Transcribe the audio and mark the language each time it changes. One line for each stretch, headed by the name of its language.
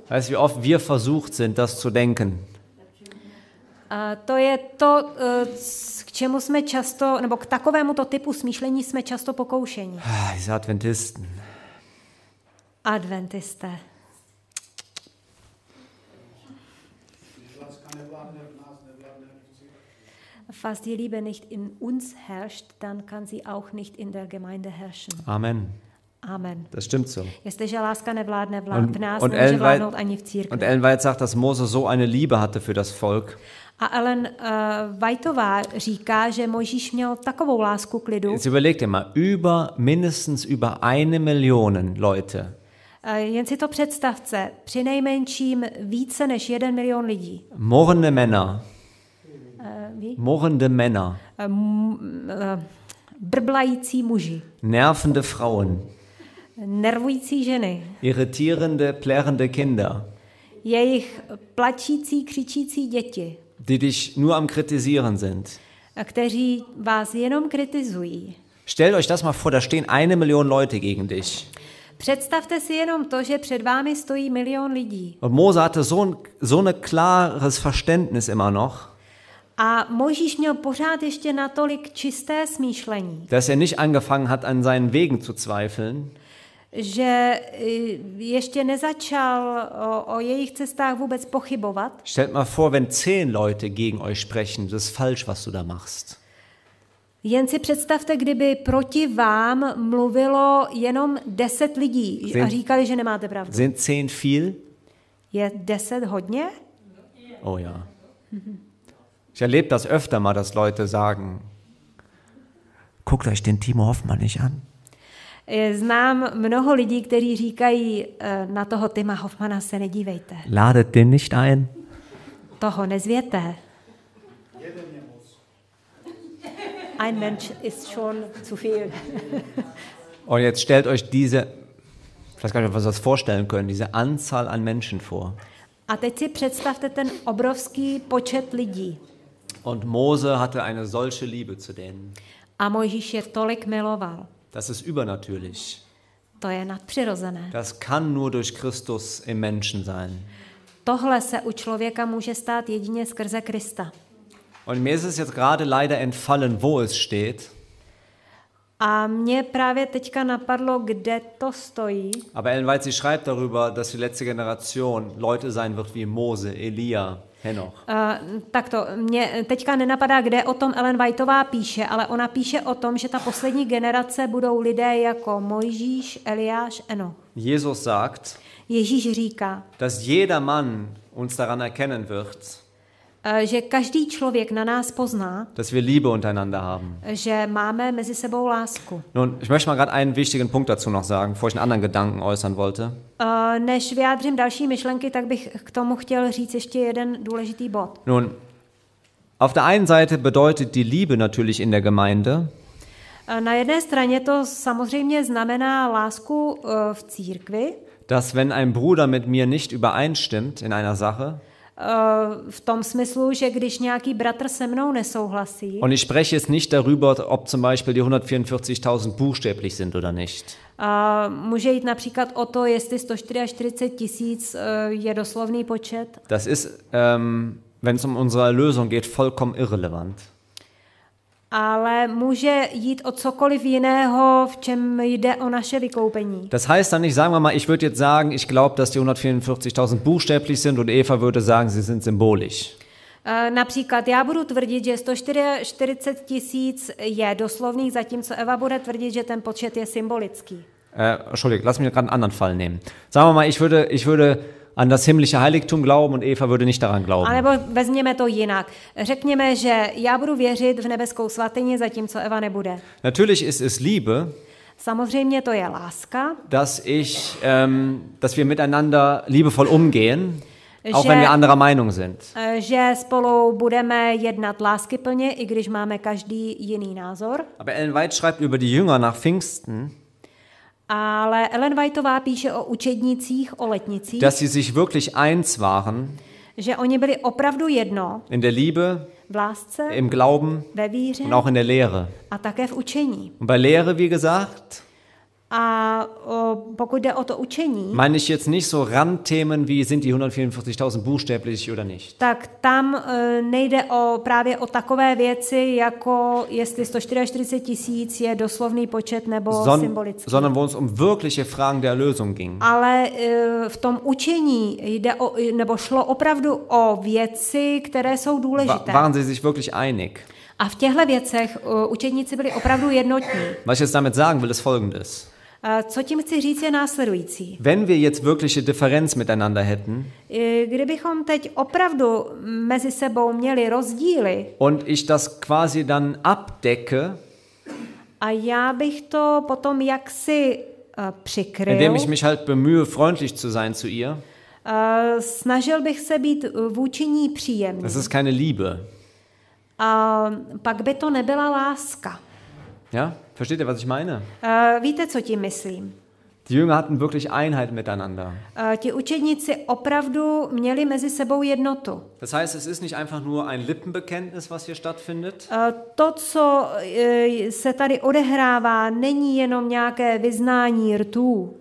German: Weißt, wie oft wir versucht sind, das zu denken.
Czech: To je to, k čemu jsme často, nebo k takovémuto typu smýšlení jsme často pokoušeni.
German: Diese Adventisten.
Czech: Adventisté.
German: Falls die Liebe nicht in uns herrscht, dann kann sie auch nicht in der Gemeinde herrschen. Amen. Amen. Das stimmt so.
Czech: Jestliže láska nevládne v nás, nemůže vládnout ani v církvi.
German: Und Ellen White sagt, dass Mose so eine Liebe hatte für das Volk.
Czech: A Ellen Whiteová říká, že Mojžíš měl takovou lásku k lidu.
German: Jetzt überleg dir mal, mindestens über 1 Million Leute.
Czech: Jen si to představte, přinejmenším více než 1 milion lidí.
German: Mohrende Männer. Mohrende Männer.
Czech: Brblající muži.
German: Nervende Frauen.
Czech: Nervující ženy.
German: Irritierende, plärrende Kinder.
Czech: Jejich plačící, křičící děti.
German: Die dich nur am kritisieren sind.
Czech: Kteří vás jenom kritizují.
German: Stellt euch das mal vor, da stehen 1 Million Leute gegen dich.
Czech: Představte si jenom to, že před vámi stojí milion lidí.
German: Und Mose hatte so ein klares Verständnis immer noch.
Czech: A Mojžíš měl pořád ještě natolik čisté smýšlení.
German: Dass er nicht angefangen hat an seinen Wegen zu zweifeln.
Czech: Že ještě nezačal o jejich cestách vůbec pochybovat.
German: Stellt mal vor, wenn 10 Leute gegen euch sprechen, das ist falsch, was du da machst.
Czech: Jen si představte, kdyby proti vám mluvilo jenom 10 lidí a říkali, že nemáte pravdu.
German: Sind 10 viel?
Czech: Je 10 hodně?
German: Oh ja. Ich erlebe das öfter mal, dass Leute sagen, guckt euch den Timo Hoffmann nicht an.
Czech: Znám mnoho lidí, kteří říkají, na toho Tima Hoffmana se nedívejte.
German: Ladet den nicht ein.
Czech: Toho nezvěte.
German: Ein Mensch ist schon zu viel. Und jetzt stellt euch diese, ich weiß gar nicht, ob wir das vorstellen können, diese Anzahl an Menschen vor.
Czech: A teď si představte ten obrovský počet lidí.
German: Und Mose hatte eine solche Liebe zu denen.
Czech: A Mojžíš je tolik miloval.
German: Das ist übernatürlich.
Czech: To je nadpřirozené.
German: Das kann nur durch Christus im Menschen sein.
Czech: Tohle se u člověka může stát jedině skrze Krista.
German: Und mir ist es jetzt gerade leider entfallen, wo es steht.
Czech: A mě právě teďka napadlo, kde to stojí.
German: Aber Ellen White, sie schreibt darüber, dass die letzte Generation Leute sein wird wie Mose, Elia, Henoch.
Czech: Tak to, mě teďka nenapadá, kde o tom Ellen Whiteová píše, ale ona píše o tom, že ta poslední generace budou lidé jako Mojžíš, Eliáš, Henoch.
German: Jesus sagt,
Czech: Ježíš říká,
German: dass jeder Mann uns daran erkennen wird,
Czech: že každý člověk na nás pozná,
German: dass wir Liebe untereinander haben,
Czech: že máme mezi sebou lásku.
German: Nun, ich möchte mal gerade einen wichtigen Punkt dazu noch sagen, bevor ich einen anderen Gedanken äußern wollte.
Czech: Než vyjádřím další myšlenky, tak bych k tomu chtěl říct ještě jeden důležitý bod.
German: Nun, auf der einen Seite bedeutet die Liebe natürlich in der Gemeinde.
Czech: Na jedné straně to samozřejmě znamená lásku v církvi.
German: Dass wenn ein Bruder mit mir nicht übereinstimmt in einer Sache,
Czech: v tom smyslu, že když nějaký bratr se mnou nesouhlasí.
German: Und ich spreche jetzt nicht darüber, ob zum Beispiel die 144.000 buchstäblich sind oder nicht.
Czech: Může jít například o to, jestli 144.000 je doslovný počet.
German: Das ist, wenn es um unsere Erlösung geht, vollkommen irrelevant.
Czech: Ale může jít o cokoliv jiného, v čem jde o naše vykoupení.
German: Das heißt dann nicht, sagen wir mal, ich würde jetzt sagen, ich glaube, dass die 144.000 buchstäblich sind und Eva würde sagen, sie sind symbolisch.
Czech: Například já budu tvrdit, že 144.000 je doslovný, zatímco Eva bude tvrdit, že ten počet je symbolický.
German: Entschuldigung, lass mich gerade einen anderen Fall nehmen. Sagen wir mal, ich würde an das himmlische Heiligtum glauben und Eva würde nicht daran glauben.
Czech: Alebo vezměme to jinak. Řekněme, že já budu věřit v nebeskou svatyni, zatímco Eva nebude.
German: Natürlich ist es Liebe.
Czech: Samozřejmě to je láska.
German: Dass wir miteinander liebevoll umgehen,
Czech: že,
German: auch wenn wir anderer Meinung sind.
Czech: Že spolu budeme jednat láskyplně, i když máme každý jiný názor.
German: Aber Ellen White schreibt über die Jünger nach Pfingsten.
Czech: Ale Ellen Whiteová píše o učednicích, o letnicích.
German: Dass sie sich wirklich eins waren.
Czech: Že oni byli opravdu jedno.
German: In der Liebe.
Czech: V lásce.
German: Im Glauben.
Czech: Ve víře.
German: Und auch in der Lehre.
Czech: A také v učení.
German: Und bei Lehre, wie gesagt.
Czech: A pokud jde o to učení.
German: Meine ich jetzt nicht so Randthemen, wie sind die 144.000 buchstäblich oder nicht.
Czech: Tak tam nejde o právě o takové věci, jako jestli 144.000 je doslovný počet nebo symbolický.
German: Sondern wo es um wirkliche Fragen der Erlösung ging.
Czech: Ale v tom učení jde o, nebo šlo opravdu o věci, které jsou důležité.
German: Waren sie sich wirklich einig?
Czech: A v těchto věcech učedníci byli opravdu jednotní.
German: Was ich jetzt damit sagen will, ist folgendes.
Czech: Co tím chci říct, je následující.
German: Wenn wir jetzt wirkliche Differenz miteinander hätten.
Czech: Kdybychom teď opravdu mezi sebou měli rozdíly.
German: Und ich das quasi dann abdecke.
Czech: A já bych to potom jaksi přikryl.
German: Indem ich mich halt bemühe, freundlich zu sein zu ihr.
Czech: Snažil bych se být vůči ní příjemný.
German: Das ist keine Liebe.
Czech: A pak by to nebyla láska.
German: Ja, versteht ihr, was ich meine?
Czech: Víte, co tím myslím?
German: Die Jünger hatten wirklich Einheit miteinander.
Czech: Ti učedníci opravdu měli mezi sebou jednotu.
German: Das heißt, es ist nicht einfach nur ein Lippenbekenntnis, was hier stattfindet.
Czech: To, co se tady odehrává, není jenom nějaké vyznání rtů.